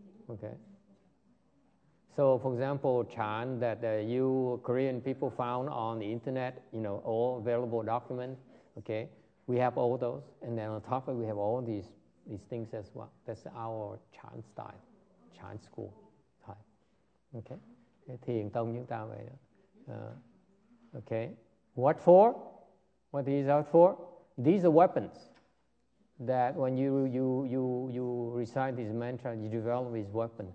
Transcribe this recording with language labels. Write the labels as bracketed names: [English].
[English] Okay? So, for example, Chan that you Korean people found on the internet, you know, all available documents, okay, we have all those. And then on top of it, we have all these things as well. That's our Chan style, Chan school type, okay? [Vietnamese] Thiền tông chúng ta vậy đó. [English] Okay, what for? What are these out for? These are weapons that when you recite these mantras, you develop these weapons.